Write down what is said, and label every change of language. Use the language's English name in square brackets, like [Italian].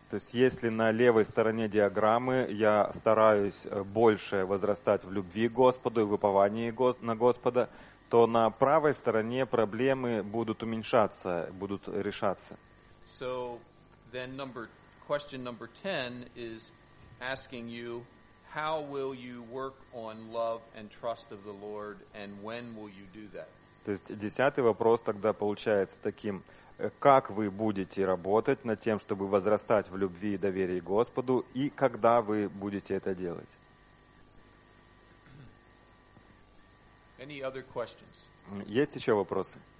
[Russian] То есть если на левой стороне диаграммы я стараюсь больше возрастать в любви к Господу и в уповании на Господа, то на правой стороне проблемы будут уменьшаться, будут решаться. [English] So then question number 10 is asking you, how will you work on love and trust of the Lord, and when will you do that? [Russian] То есть десятый вопрос тогда получается таким: как вы будете работать над тем, чтобы возрастать в любви и доверии Господу, и когда вы будете это делать? [English] Any other questions? [Russian] Есть еще вопросы?